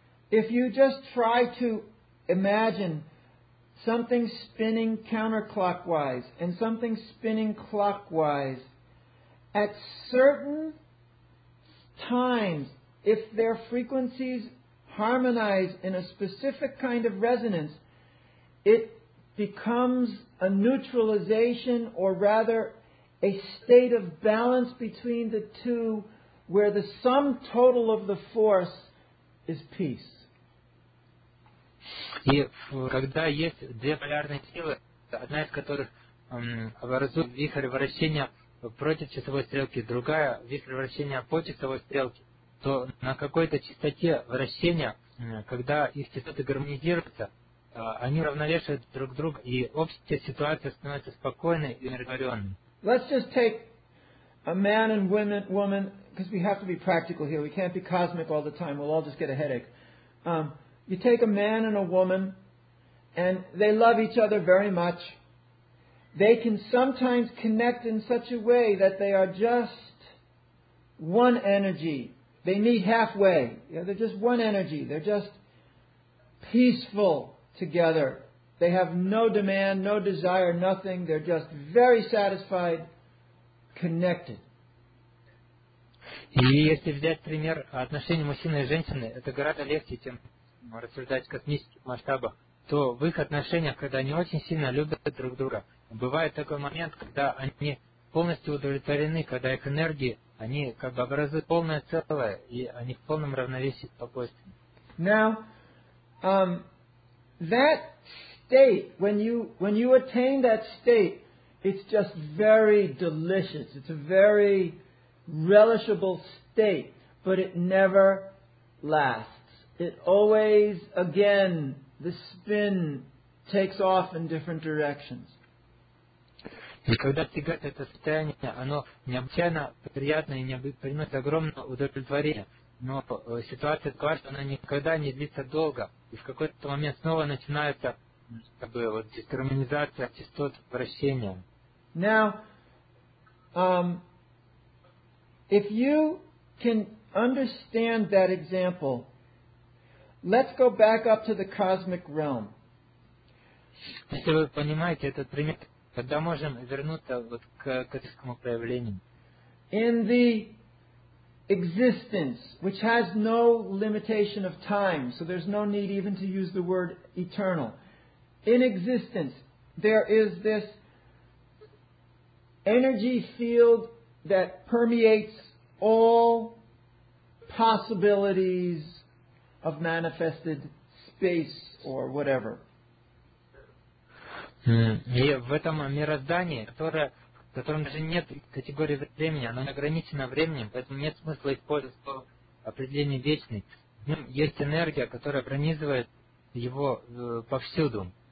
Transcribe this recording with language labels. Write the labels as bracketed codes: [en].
[en] If you just try to imagine something spinning counterclockwise and something spinning clockwise, at certain times, if their frequencies harmonize in a specific kind of resonance, it becomes a neutralization, or rather a state of balance between the two, where the sum total of the force is peace. [ru] И когда есть две полярные силы, одна из которых образует вихрь вращения против часовой стрелки, другая вихрь вращения по часовой стрелке, то на какой-то частоте вращения, когда их частоты гармонизируются, они равновешивают друг друга, и общая ситуация становится спокойной и умиротворенной. [en] Let's just take a man and woman, because we have to be practical here, we can't be cosmic all the time, we'll all just get a headache. You take a man and a woman, and they love each other very much. They can sometimes connect in such a way that they are just one energy. They meet halfway. Yeah, they're just one energy. They're just peaceful together. They have no demand, no desire, nothing. They're just very satisfied, connected. [ru] И если взять пример отношений мужчины и женщины, это гораздо легче, чем рассуждать в космических масштабах, то в их отношениях, когда они очень сильно любят друг друга, бывает такой момент, когда они полностью удовлетворены, когда их энергии, они как бы образуют полное целое, и они в полном равновесии, спокойствии. [en] Now, that state, when you attain that state, it's just very delicious. It's a very relishable state, but it never lasts. It always, again, the spin takes off in different directions. [ru] И когда достигает это состояние, оно необычайно приятное и приносит огромное удовлетворение. Но ситуация такова, что она никогда не длится долго. И в какой-то момент снова начинается как бы, вот, дисгармонизация частот вращения. [en] Now, if you can understand that example, let's go back up to the cosmic realm. [ru] Если вы понимаете этот пример, тогда можем вернуться вот к космическому проявлению. [en] In the existence, which has no limitation of time, so there's no need even to use the word eternal. In existence, there is this energy field that permeates all possibilities of manifested space or whatever. [ru] И в этом мироздании, в котором даже нет категории времени, оно не ограничено временем, поэтому нет смысла использовать слово определение вечный. В нем есть энергия, которая пронизывает его повсюду.